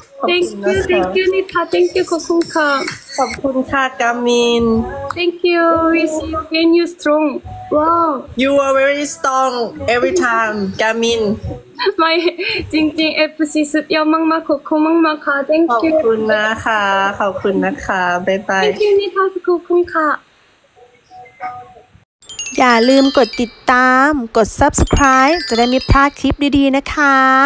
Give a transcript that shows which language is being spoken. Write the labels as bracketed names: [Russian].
[English] thank you thank you นิทา thank you [Thai] ขอบคุณค่ะ ขอบคุณค่ะกามิน [English] thank you we see you and you strong wow you are very strong every time กามิน [Thai] ไม่จริงจริง FC สุดยอดมากมากขอบคุณมากมากค่ะ [English] thank you [Thai] ขอบคุณนะคะขอบคุณนะคะบ๊ายบาย [English] thank you [Thai] นิทาขอบคุณค่ะ อย่าลืมกดติดตามกด Subscribe จะได้ไม่พลาดคลิปดีๆนะคะ